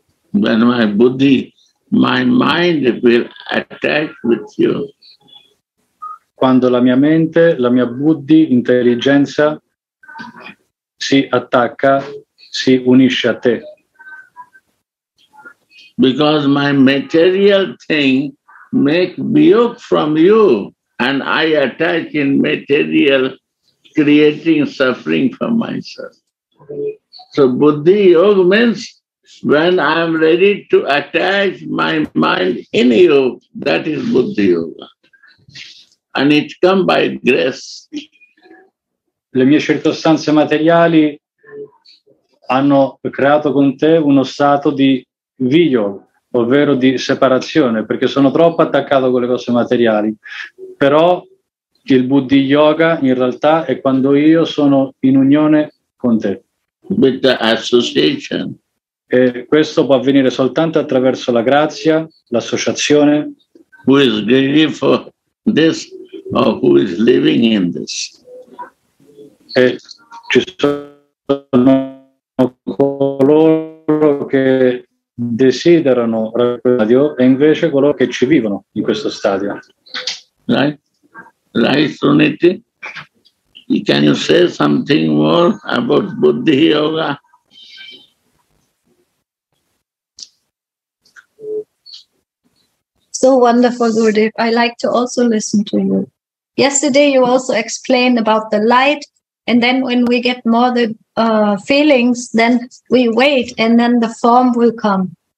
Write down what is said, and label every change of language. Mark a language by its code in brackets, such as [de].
[en] When my body, my mind will attack with you. [it] Quando la mia mente, la mia Buddhi, intelligenza si attacca, si unisce a te. [en] Because my material thing make view from you and I attack in material creating suffering for myself. So Buddhi Yoga means when I am ready to attach my mind in you, that is Buddhi Yoga. And it comes by grace. [it] Le mie circostanze materiali hanno creato con te uno stato di viglio, ovvero di separazione, perché sono troppo attaccato con le cose materiali. Però il Buddhi Yoga in realtà è quando io sono in unione con te. [en] With the association. [it] E questo può avvenire soltanto attraverso la grazia, l'associazione. [en] Who is living for this or who is living in this? [it] E ci sono coloro che desiderano raggiungere Dio e invece coloro che ci vivono in questo stadio. [en] Right, Sunity? Can you say something more about Buddhi Yoga? So wonderful, Gurudev. I like to also listen to you. Yesterday you also explained about the light, and then when we get more the feelings, then we wait, and then the form will come.